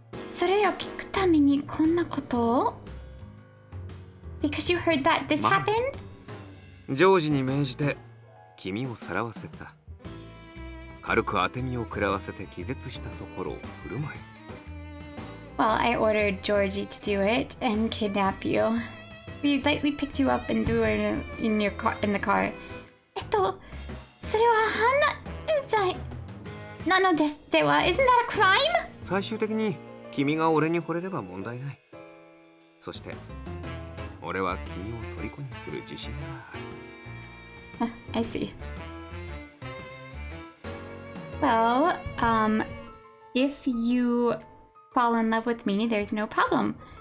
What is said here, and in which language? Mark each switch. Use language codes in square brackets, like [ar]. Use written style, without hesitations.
[ja] それを聞くためにこんなこと? [en] Because you heard that this happened? [ja] ジョージに命じて君をさらわせた。軽く当て身を食らわせて気絶したところを振る舞い。 [en] Well, I ordered Georgie to do it and kidnap you. We lightly picked you up and threw her in the car. [ja] それは犯罪なのですでは [en] Isn't that a crime? [ja] 最終的に君が俺に惚れれば問題ない。そして俺は君を虜にする自信がある。 [en] I see. Well, if you fall in love with me, there's no problem.